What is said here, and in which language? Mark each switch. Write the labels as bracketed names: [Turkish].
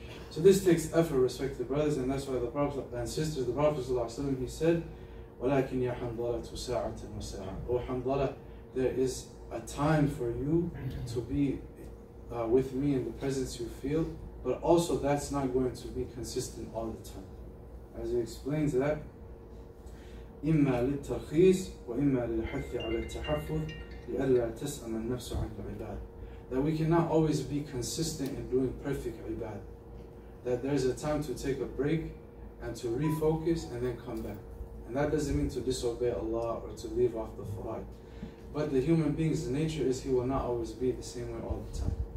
[English] So this takes effort, respected brothers, and that's why the Prophet and sisters, the Prophet ﷺ, he said, [Arabic] وَلَكِنْ يَا حَنْضَلَةُ سَاعَةً وَسَاعَةً. [English] O Hanbala, there is a time for you to be with me in the presence you feel, but also that's not going to be consistent all the time. As he explains that, [Arabic] إِمَّا لِلْتَرْخِيصِ وَإِمَّا لِلْحَثِّ عَلَى التَّحَفُّظِ لِأَلَّا تَسْأَمَ النَّفْسُ عَنْ عِبَادِ. [English] That we cannot always be consistent in doing perfect ibad. That there's a time to take a break and to refocus and then come back. And that doesn't mean to disobey Allah or to leave off the faraid. But the human being's nature is he will not always be the same way all the time.